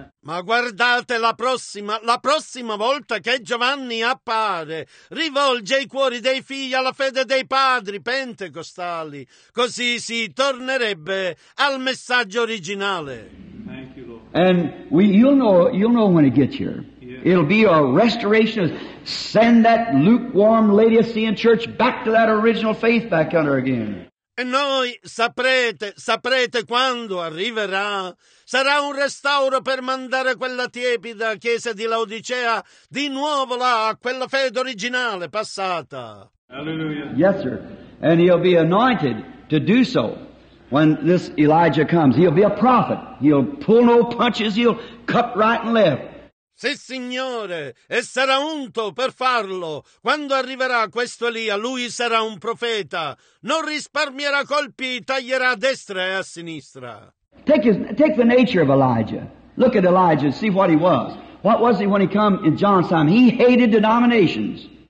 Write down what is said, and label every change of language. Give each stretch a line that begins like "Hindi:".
Italian: Ma guardate, la prossima volta che Giovanni appare, rivolge i cuori dei figli alla fede dei padri pentecostali. Così si tornerebbe al messaggio originale.
English: Thank you, Lord. And you'll know when it gets here. Yeah. It'll be a restoration. Send that lukewarm Laodicean church back to that original faith back under again.
Italian: E noi saprete quando arriverà. Sarà un restauro per mandare quella tiepida chiesa di Laodicea di nuovo là, a quella fede originale passata.
English: Hallelujah. Yes, sir. And he'll be anointed to do so when this Elijah comes. He'll be a prophet. He'll pull no punches. He'll cut right and left.
Italian: Sì, Signore, e sarà unto per farlo. Quando arriverà questo Elia, lui sarà un profeta. Non risparmierà colpi, taglierà a destra e a sinistra.
English: Take the nature of Elijah. Look at Elijah and see what he was. What was he when he came in John's time? He hated denominations.